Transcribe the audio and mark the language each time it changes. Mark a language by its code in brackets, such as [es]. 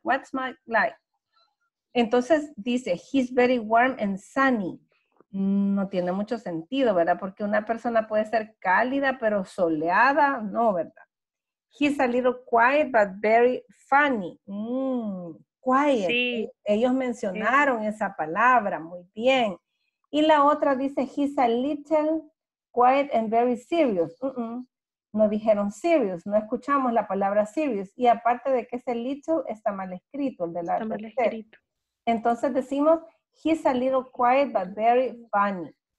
[en] What's Mike like? [es] Entonces dice, [en] he's very warm and sunny. [es] no tiene mucho sentido, ¿verdad? Porque una persona puede ser cálida, pero soleada, no, ¿verdad? [en] He's a little quiet, but very funny. Quiet. Sí. [es] Ellos mencionaron esa palabra, muy bien. Y la otra dice, [en] he's a little quiet and very serious. [es] No dijeron serious, no escuchamos la palabra serious. Y aparte de que ese little está mal escrito, el de la está mal escrito. Entonces decimos, [en] he's a little quiet but very funny.